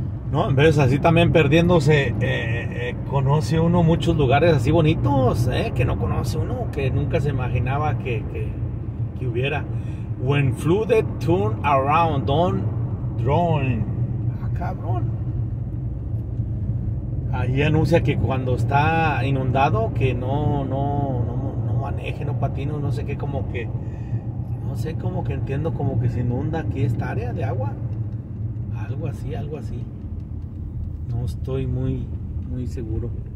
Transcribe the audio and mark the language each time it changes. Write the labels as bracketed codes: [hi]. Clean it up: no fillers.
[es] No, en vez así también perdiéndose, conoce uno muchos lugares así bonitos, que no conoce uno, que nunca se imaginaba que hubiera. [en] When flooded, turn around, don't drown. [es] Ah, cabrón. Ahí anuncia que cuando está inundado, que no maneje, no patine, no sé qué, como que entiendo, como que se inunda aquí esta área de agua. Algo así. No estoy muy seguro.